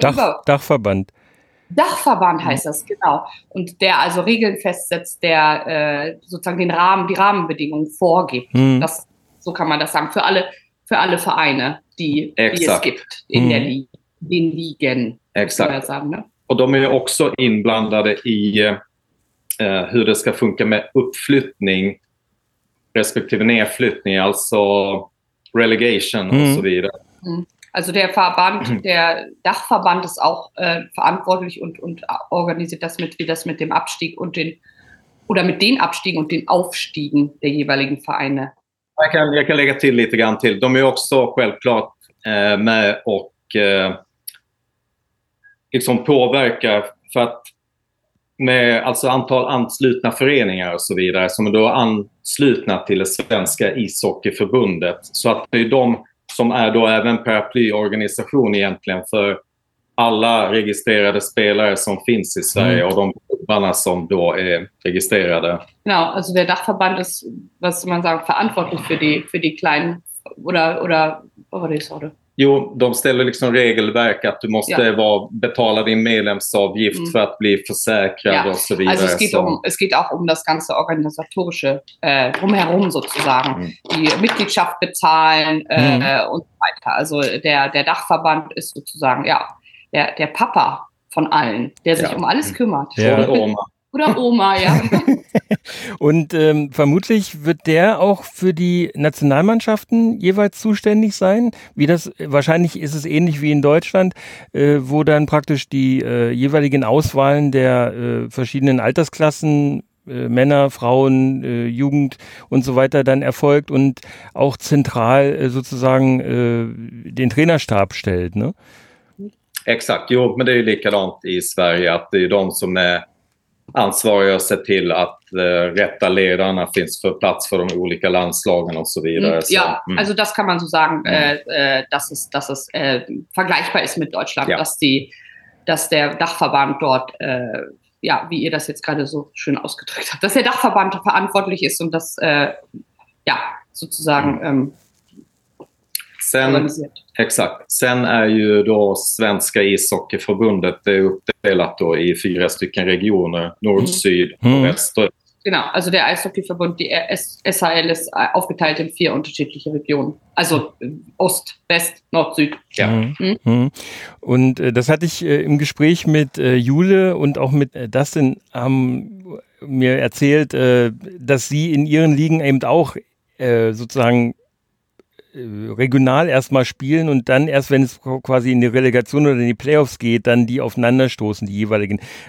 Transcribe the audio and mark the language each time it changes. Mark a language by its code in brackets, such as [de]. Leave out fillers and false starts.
[de] Dachverband. Dachverband heißt das, genau. Und der also Regeln festsetzt, der sozusagen die Rahmenbedingungen vorgibt. Hm. Das, so kann man das sagen, für alle Vereine, die es gibt in den Ligen. Exakt. Kann man sagen, ne? [sv] Und de är också inblandade i hur det ska funka med uppflyttning respektive nedflyttning, alltså relegation och så vidare. Mm. [de] Also der Verband, der Dachverband ist auch verantwortlich und organisiert das mit, wie das mit dem Abstieg und den oder mit den Abstiegen und den Aufstiegen der jeweiligen Vereine. [sv] Jag kan lägga till lite grann till. De är också självklart med och liksom påverkar för att med alltså antal anslutna föreningar och så vidare som är då anslutna till det svenska ishockeyförbundet. Så att det är de som är då även paraplyorganisation egentligen för alla registrerade spelare som finns i Sverige och de klubbarna som då är registrerade. [de] Genau, also der Dachverband ist, was man sagt, verantwortlich för de kleinen oder [sv] vad var det sa du? Jo, de ställer liksom regelverk att du måste betala din medlemsavgift för att bli försäkrad och så vidare. [de] Also es geht auch um das ganze organisatorische drumherum sozusagen. Mm. Die Mitgliedschaft bezahlen und so weiter. Also der Dachverband ist sozusagen der Papa von allen, der sich um alles kümmert. Ja. Oder Oma. Oder Oma, ja. Und vermutlich wird der auch für die Nationalmannschaften jeweils zuständig sein. Wahrscheinlich ist es ähnlich wie in Deutschland, wo dann praktisch die jeweiligen Auswahlen der verschiedenen Altersklassen, Männer, Frauen, Jugend und so weiter dann erfolgt und auch zentral sozusagen den Trainerstab stellt, ne? [sv] Exakt, jo, men det är likadant i Sverige, att det är de som är ansvariga att se till att rätta ledarna finns för plats för de olika landslagen och så vidare. [de] Ja, also das kann man so sagen, dass es vergleichbar ist mit Deutschland, dass der Dachverband dort, wie ihr das jetzt gerade so schön ausgedrückt habt, dass der Dachverband verantwortlich ist und das sozusagen sen, organisiert. Exakt. [sv] Sen är ju då Svenska ishockeyförbundet uppdelat då i 4 stycken regioner, Nord, Syd och Väst. [de] Genau, also der Eishockeyverbund, die SHL, ist aufgeteilt in 4 unterschiedliche Regionen. Also Ost, West, Nord, Süd. Ja. Mhm. Und das hatte ich im Gespräch mit Jule und auch mit Dustin haben mir erzählt, dass sie in ihren Ligen eben auch sozusagen regional erstmal spielen und dann erst, wenn es quasi in die Relegation oder in die Playoffs geht, dann die aufeinanderstoßen, die jeweiligen.